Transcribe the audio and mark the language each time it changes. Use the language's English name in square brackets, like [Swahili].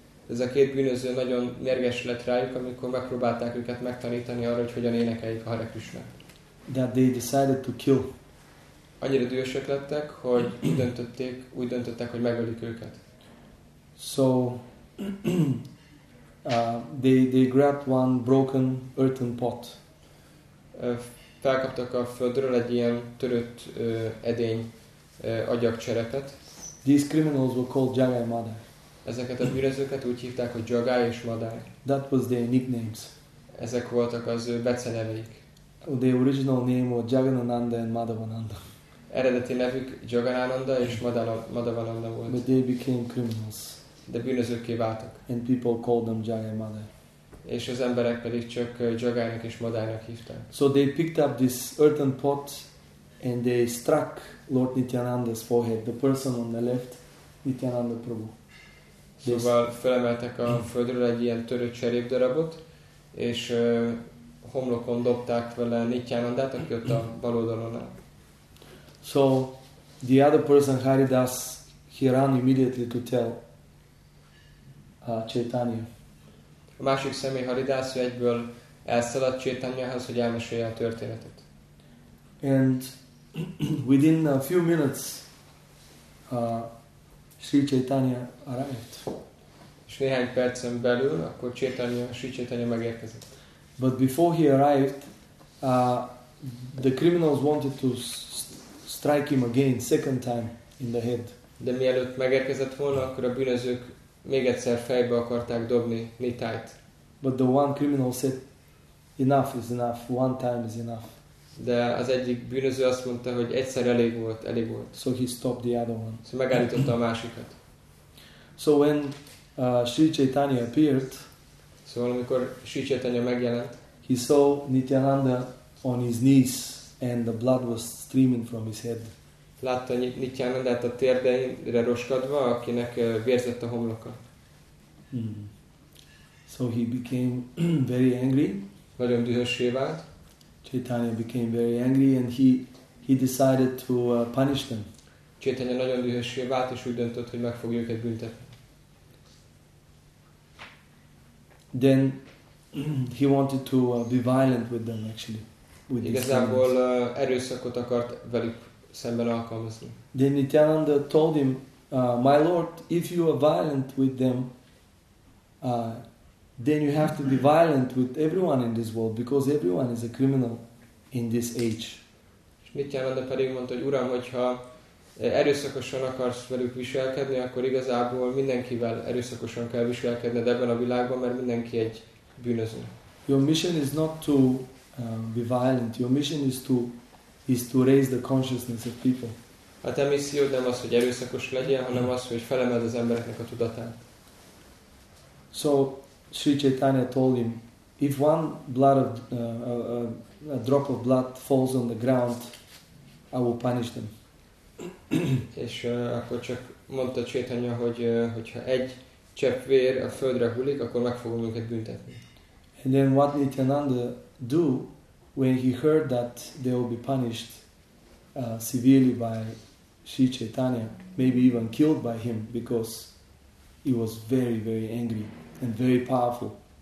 [Hungarian] Ez a két bűnöző nagyon mérges lett rájuk, amikor megpróbálták őket megtanítani arra, hogy hogyan énekeljék a Hare Krishna. [English] That they decided to kill. [Hungarian] Annyira dühösek lettek, hogy úgy döntöttek, hogy megölik őket. [English] So they grabbed one broken earthen pot. [Hungarian] Felkaptak a földről egy ilyen törött edény agyagcserepet. [English] These criminals were called Jagai Madai. [Hungarian] Ezeket a bűnözőket úgy hívták, hogy Jagai és Madai. [English] That was their nicknames. [Hungarian] Ezek voltak az beceneveik. [English] The original name was Jagannanda and Madhavananda. [Hungarian] Eredeti nevük Jagannanda és Madhavananda volt. [English] But they became criminals. [Hungarian] De bűnözőkké váltak. [English] And people called them Jagai Madai. [Hungarian] És az emberek pedig csak Jagainak és Madainak hívták. [English] So they picked up this earthen pot and they struck Lord Nityananda's forehead, the person on the left, Nityananda Prabhu. [Hungarian] Szóval felemeltek a földről egy ilyen törött cserépdarabot, és homlokon dobták vele Nityanandát, aki ott a bal oldalon áll. [English] So the other person, Haridas, he ran immediately to tell Chaitanya. [Hungarian] A másik személy, Haridas, egyből elszaladt Chaitanyahoz, hogy elmesélje a történetet. [English] And within a few minutes, Sri Chaitanya arrived. [Hungarian] És néhány percen belül, akkor Sri Chaitanya megérkezett. [English] But before he arrived, the criminals wanted to strike him again, second time in the head. [Hungarian] De mielőtt megérkezett volna, akkor a bűnözők még egyszer fejbe akarták dobni Nitájt. [English] But the one criminal said, enough is enough, one time is enough. [Hungarian] De az egyik bűnöző azt mondta, hogy egyszer elég volt. [English] So he stopped the other one. [Hungarian] Szóval megállította a másikat. [English] So when Sri Chaitanya appeared, [Hungarian] szóval amikor Sri Chaitanya megjelent, [English] he saw Nityananda on his knees and the blood was streaming from his head. [Hungarian] Látta Nityanandát a térdeire roskadva, akinek vérzett a homloka. [English] Mm. So he became very angry. [Hungarian] Nagyon dühössé vált. [English] Chaitanya became very angry and he decided to punish them. [Hungarian] Chaitanya nagyon dühössé vált és úgy döntött, hogy meg fogja őket büntetni. [English] Then he wanted to be violent with them actually. [Hungarian] Igazából erőszakot akart velük szemben alkalmazni. [English] Then Nityananda told him, my lord, if you are violent with them, then you have to be violent with everyone in this world, because everyone is a criminal in this age. [Hungarian] És Nityananda pedig mondta, hogy uram, hogyha erőszakosan akarsz velük viselkedni, akkor igazából mindenkivel erőszakosan kell viselkedned ebben a világban, mert mindenki egy bűnöző. [English] Your mission is not to be violent. Your mission is to raise the consciousness of people. [Hungarian] A te missziód nem az, hogy erőszakos legyen, hanem az, hogy felemeld az embereknek a tudatát. [English] So Sri Chaitanya told him, if one blood of a drop of blood falls on the ground, I will punish them. [Hungarian] És akkor csak mondta Chaitanya, hogy ha egy csepp vér a földre hullik, akkor meg fogom őket büntetni. [English] And then what Nityananda do when he heard that they will be punished? severely by Sri Chaitanya, maybe even killed by him because he was very, very angry and very powerful.